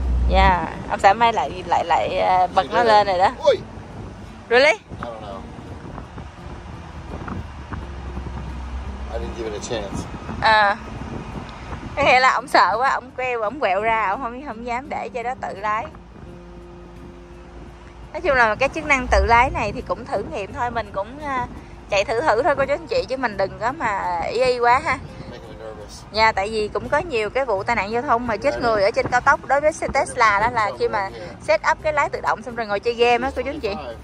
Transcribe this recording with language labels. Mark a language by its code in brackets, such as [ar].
[vi] Yeah, ông xã mày lại bật nó lên rồi đó. Ui. [en] Really? I don't know. I didn't give it a chance. [vi] Có nghĩa là ông sợ quá, ông quẹo, ông quẹo ra, ông không dám để cho nó tự lái. Nói chung là cái chức năng tự lái này thì cũng thử nghiệm thôi, mình cũng chạy thử thôi cô chú anh chị, chứ mình đừng có mà y quá ha. Nha, tại vì cũng có nhiều cái vụ tai nạn giao thông mà chết người ở trên cao tốc đối với xe Tesla đó, là khi mà set up cái lái tự động xong rồi ngồi chơi game á cô chú anh chị.